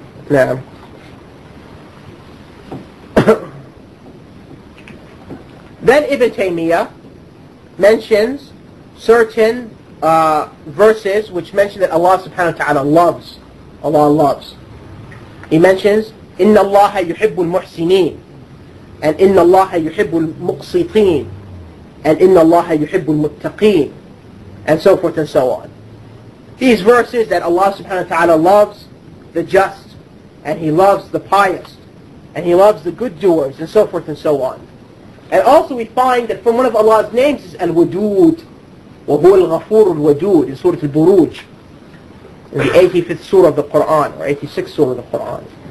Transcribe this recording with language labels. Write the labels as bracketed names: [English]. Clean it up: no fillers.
[English] Now, then Ibn Taymiyyah mentions certain verses which mention that Allah subhanahu wa ta'ala loves. Allah loves. He mentions, [Arabic] إِنَّ اللَّهَ يُحِبُّ الْمُحْسِنِينَ and إِنَّ اللَّهَ يُحِبُّ الْمُقْسِطِينَ and إِنَّ اللَّهَ يُحِبُّ الْمُتَّقِينَ [English] and so forth and so on. These verses that Allah subhanahu wa ta'ala loves the just, and He loves the pious, and He loves the good doers, and so forth and so on. And also we find that from one of Allah's names is Al-Wadood, [Arabic] وَهُوَ الْغَفُورُ الْوَدُودِ [English] in Surah Al-Buruj, in the 85th Surah of the Qur'an, or 86th Surah of the Qur'an.